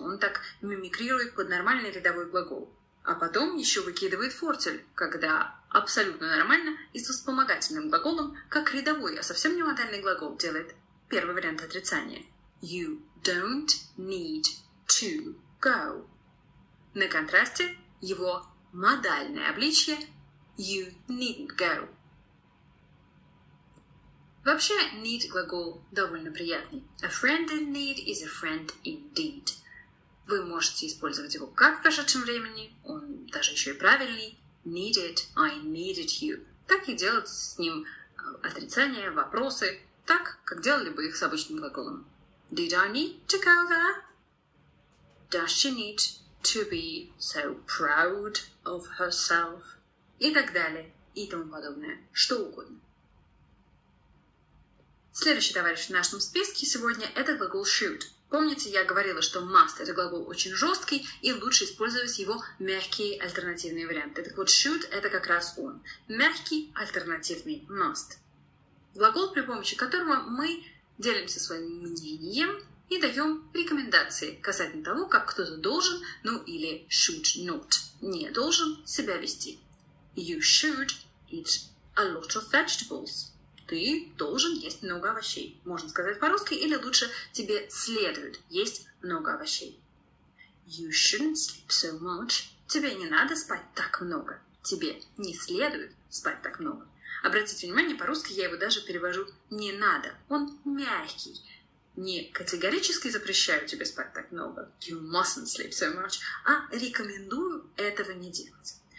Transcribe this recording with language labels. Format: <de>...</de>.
<ru>Он так мимикрирует под нормальный рядовой глагол. А потом еще выкидывает фортель, когда абсолютно нормально и с вспомогательным глаголом, как рядовой, а совсем не модальный глагол, делает первый вариант отрицания.</ru> <en>You don't need to go.</en> <ru>На контрасте его модальное обличье</ru> <en>you needn't go.</en> <ru>Вообще, need глагол довольно приятный.</ru> <en>A friend in need is a friend indeed.</en> <ru>Вы можете использовать его как в прошедшем времени, он даже еще и правильный.</ru> <en>Needed, I needed you.</en> <ru>Так и делать с ним отрицания, вопросы, так, как делали бы их с обычным глаголом.</ru> <en>Did I need to go there? Does she need to be so proud of herself?</en> <ru>И так далее, и тому подобное, что угодно. Следующий товарищ в нашем списке сегодня – это глагол should. Помните, я говорила, что must – это глагол очень жесткий, и лучше использовать его мягкие альтернативные варианты. Так вот, should – это как раз он. Мягкий альтернативный must. Глагол, при помощи которого мы делимся своим мнением и даем рекомендации касательно того, как кто-то должен, ну или should not, не должен себя вести.</ru> <en>You should eat a lot of vegetables.</en> <ru>Ты должен есть много овощей. Можно сказать по-русски, или лучше тебе следует есть много овощей.</ru> <en>You shouldn't sleep so much.</en> <ru>Тебе не надо спать так много. Тебе не следует спать так много. Обратите внимание, по-русски я его даже перевожу «не надо». Он мягкий. не категорически запрещаю тебе спать так много,</ru> <en>you mustn't sleep so much,</en> <ru>а рекомендую этого не делать.</ru>